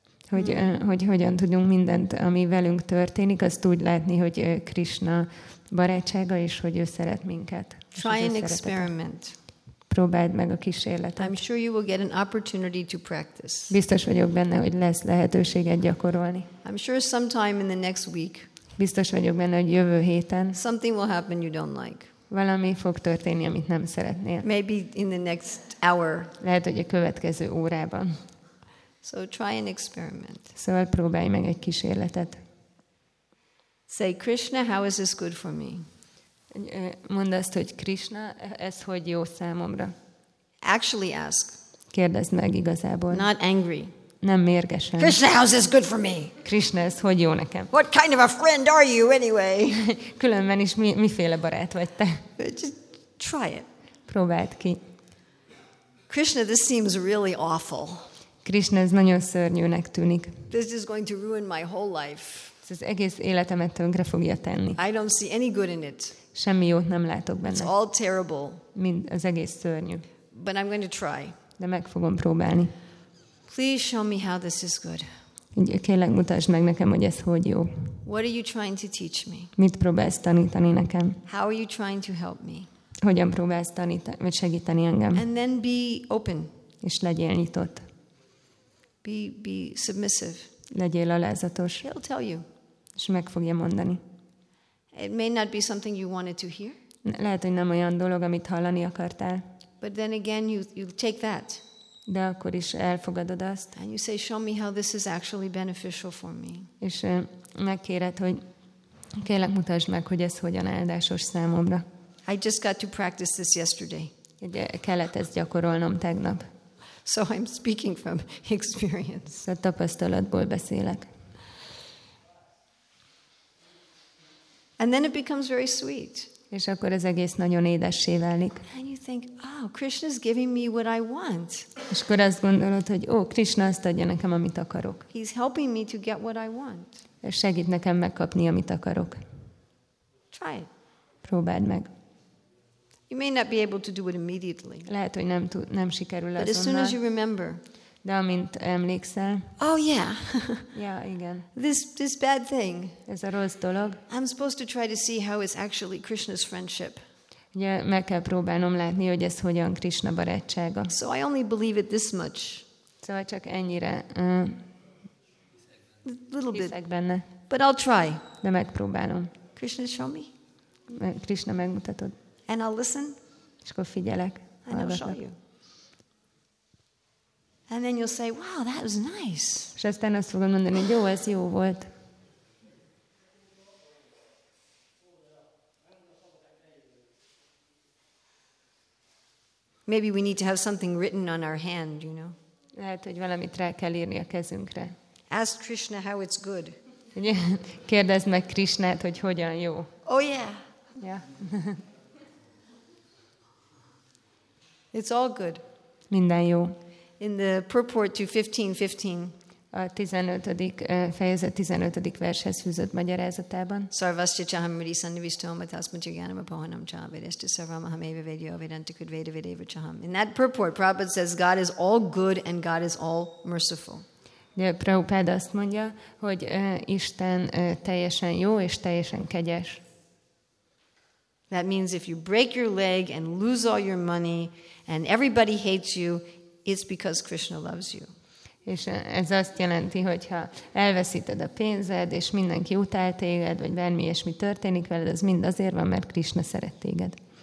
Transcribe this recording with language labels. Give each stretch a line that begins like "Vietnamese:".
Hungarian: Hogy hogyan tudunk mindent, ami velünk történik, azt úgy látni, hogy Krishna barátsága, és hogy ő szeret minket.
English: Try an experiment.
Hungarian: Próbáld meg a kísérletet.
English: I'm sure you will get an opportunity to practice.
Hungarian: Biztos vagyok benne, hogy lesz lehetőséget gyakorolni.
English: I'm sure sometime in the next week.
Hungarian: Biztos vagyok benne, hogy jövő héten.
English: Something will happen you don't like.
Hungarian: Valami fog történni, amit nem szeretnél.
English: Maybe in the next hour.
Hungarian: Lehet, hogy a következő órában.
English: So try an experiment.
Hungarian: Szóval próbálj meg egy kísérletet.
English: Say Krishna, how is this good for me?
Hungarian: Mondd azt, hogy Krishna, ez hogy jó számomra?
English: Actually ask.
Hungarian: Kérdezd meg igazából.
English: Not angry.
Hungarian: Nem mérgesen.
English: Krishna, how is this good for me?
Hungarian: Krishna, ez hogy jó nekem?
English: What kind of a friend are you anyway?
Hungarian: Különben is miféle barát vagy te?
English: Just try it.
Hungarian: Próbáld ki.
English: Krishna, this seems really awful.
Hungarian: Krishna, ez nagyon szörnyűnek tűnik.
English: This is going to ruin my whole life.
Hungarian: Ez az egész életemet tönkre fogja tenni.
English: I don't see any good in it.
Hungarian: Semmi jót nem látok benne.
English: It's all terrible.
Hungarian: Mind az egész szörnyű.
English: But I'm going to try.
Hungarian: De meg fogom próbálni.
English: Please show me how this is good.
Hungarian: Kérlek, mutasd meg nekem, hogy ez hogy jó.
English: What are you trying to teach me?
Hungarian: Mit próbálsz tanítani nekem?
English: How are you trying to help me?
Hungarian: Hogyan próbálsz tanítani, vagy segíteni engem?
English: And then be open.
Hungarian: És legyél nyitott.
English: Be submissive.
Hungarian: Legyél alázatos.
English: He'll tell you.
Hungarian: És meg fogja mondani.
English: It may not be something you wanted to hear.
Hungarian: Lehet, hogy nem olyan dolog, amit hallani akartál.
English: But then again, you take that.
Hungarian: De akkor is elfogadod azt.
English: And you say, show me how this is actually beneficial for me.
Hungarian: És megkéred, hogy kérlek, mutasd meg, hogy ez hogyan áldásos számomra.
English: I just got to practice this yesterday.
Hungarian: Kellett ezt gyakorolnom tegnap.
English: So I'm speaking from experience.
Hungarian: A tapasztalatból beszélek.
English: And then it becomes very sweet.
Hungarian: És akkor ez egész nagyon édessé válik.
English: And you think, oh, Krishna's giving me what I want.
Hungarian: És akkor azt gondolod, hogy ó, Krishna azt adja nekem, amit akarok.
English: He's helping me to get what I want.
Hungarian: És segít nekem megkapni, amit akarok.
English: Try it.
Hungarian: Próbáld meg.
English: You may not be able to do it immediately.
Hungarian: Lehet, hogy nem sikerül azonnal.
English: But as soon as you remember.
Hungarian: De amint emlékszel.
English: Oh yeah.
Hungarian: Ja, igen.
English: This bad thing.
Hungarian: Ez a rossz dolog.
English: I'm supposed to try to see how it's actually Krishna's friendship.
Hungarian: Ugye, meg kell próbálnom látni, hogy ez hogyan Krishna barátsága.
English: So I only believe it this much.
Hungarian: Szóval csak ennyire.
English: Little bit.
Hungarian: Hiszek benne.
English: But I'll try.
Hungarian: De megpróbálom.
English: Krishna, show me.
Hungarian: Krishna, megmutatod.
English: And I'll listen.
Hungarian: És akkor figyelek.
English: And I'll show you. And then you'll say, "Wow, that was nice."
Hungarian: És aztán azt fogom mondani, jó, ez jó volt.
English: Maybe we need to have something written on our hand, you know.
Hungarian: Lehet, hogy valamit rá kell írni a kezünkre.
English: Ask Krishna how it's good.
Hungarian: Kérdezd meg Krishnát, hogy hogyan jó.
English: Oh yeah. Yeah. It's all good.
Hungarian: Minden jó.
English: In the purport to 15:15.
Hungarian: A 15. fejezet 15. vershez fűzött magyarázatában.
Sanskrit: Sarvasya chamri sannivistoma tasmajyanam apohanam chavidesti sarvamahameva vedyo vedantikud vedavideva chaham.
English: In that purport, Prabhupada says God is all good and God is all merciful.
Hungarian: De Prabhupada azt mondja, hogy Isten teljesen jó és teljesen kegyes.
English: That means if you break your leg and lose all your money and everybody hates you, it's because Krishna loves you.
Hungarian: És ez azt jelenti, hogyha elveszíted a pénzed, és mindenki utál téged, vagy bármi ilyesmi történik veled, az mind azért van, mert Krishna szeret téged.